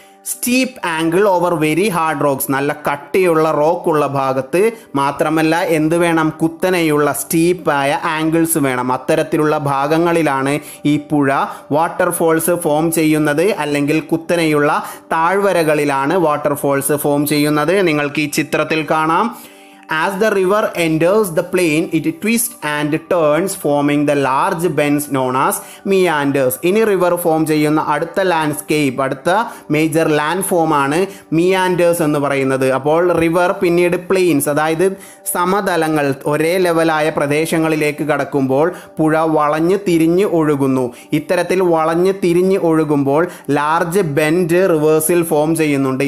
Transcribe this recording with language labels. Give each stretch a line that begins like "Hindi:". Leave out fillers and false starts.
English: steep angle over very hard rocks,
Malayalam: നല്ല കട്ടിയുള്ള റോക്കുള്ള ഭാഗത്ത്. മാത്രമല്ല എന്ത് വേണം? കുത്തനെയുള്ള സ്റ്റീപ്പായ ആംഗിൾസ് വേണം. അത്തരത്തിലുള്ള ഭാഗങ്ങളിലാണ് ഈ പുഴ വാട്ടർഫോൾസ് ഫോം ചെയ്യുന്നത്, അല്ലെങ്കിൽ കുത്തനെയുള്ള താഴ്വരകളിലാണ് വാട്ടർഫോൾസ് ഫോം ചെയ്യുന്നത്. നിങ്ങൾക്ക് ഈ ചിത്രത്തിൽ കാണാം.
English: As the river enters the plain, it twists and turns, forming the large bends known as meanders.
Malayalam: ഇനി റിവർ ഫോം ചെയ്യുന്ന അടുത്ത ലാൻഡ്സ്കേപ്പ്, അടുത്ത മേജർ ലാൻഡ് ഫോമാണ് മിയാൻഡേഴ്സ് എന്ന് പറയുന്നത്. അപ്പോൾ റിവർ പിന്നീട് പ്ലെയിൻസ്, അതായത് സമതലങ്ങൾ, ഒരേ ലെവലായ പ്രദേശങ്ങളിലേക്ക് കടക്കുമ്പോൾ പുഴ വളഞ്ഞ് തിരിഞ്ഞ് ഒഴുകുന്നു. ഇത്തരത്തിൽ വളഞ്ഞ് തിരിഞ്ഞ് ഒഴുകുമ്പോൾ ലാർജ് ബെൻഡ് റിവേഴ്സിൽ ഫോം ചെയ്യുന്നുണ്ട്.